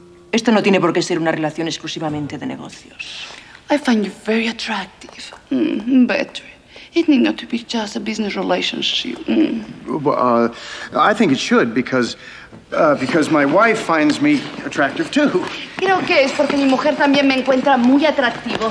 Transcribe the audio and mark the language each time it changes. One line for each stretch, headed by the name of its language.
Spanish: Esto no tiene por qué ser una relación exclusivamente de negocios.
English: I find you very attractive. Better. It need not to be just a business relationship. I think it should because my wife finds me attractive too.
Spanish: Creo que es porque mi mujer también me encuentra muy atractivo.